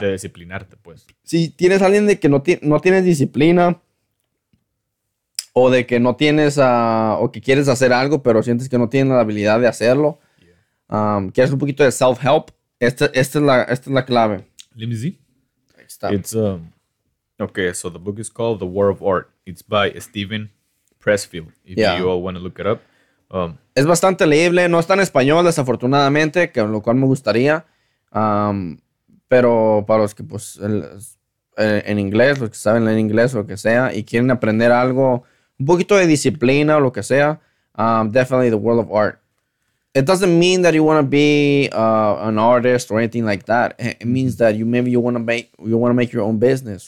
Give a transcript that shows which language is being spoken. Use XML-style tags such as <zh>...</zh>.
<es>De disciplinarte, pues. Si tienes alguien de que no tienes disciplina, o de que no tienes, o que quieres hacer algo, pero sientes que no tienes la habilidad de hacerlo, quieres un poquito de self-help, esta es la clave.</es> <en>Let me see.</en> <es>Ahí está.</es> <en>It's, okay, so the book is called The War of Art. It's by Stephen Pressfield, if you all want to look it up.</en> <es>Es bastante leíble, no está en español, desafortunadamente, que lo cual me gustaría, pero para los que, pues, en inglés, los que saben leer inglés o lo que sea, y quieren aprender algo, un poquito de disciplina o lo que sea, definitely The World of Art.</es> <en>It doesn't mean that you want to be an artist or anything like that. It means that you want to make your own business.</en>